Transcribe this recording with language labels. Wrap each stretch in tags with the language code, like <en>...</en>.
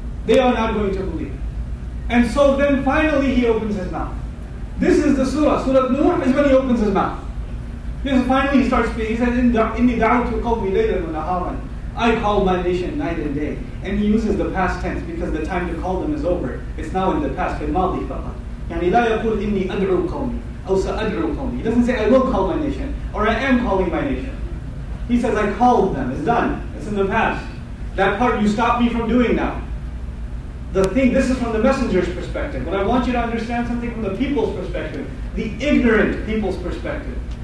<en>They are not going to believe. And so then finally he opens his mouth. This is the surah. Surah Nuh is when he opens his mouth. Because finally he starts speaking. He says,</en> <ar>inni da'utu qawmi laylan wa naharan.</ar> <en>I call my nation night and day. And he uses the past tense because the time to call them is over. It's now in the past.</en> <ar>In madi faqat. يعني لا يقول إني أدعو قومي أو سأدعو قومي.</ar> <en>He doesn't say I will call my nation or I am calling my nation. He says I called them. It's done. It's in the past. That part you stopped me from doing now. The thing, this is from the messenger's perspective. But I want you to understand something from the people's perspective. The ignorant people's perspective.</en>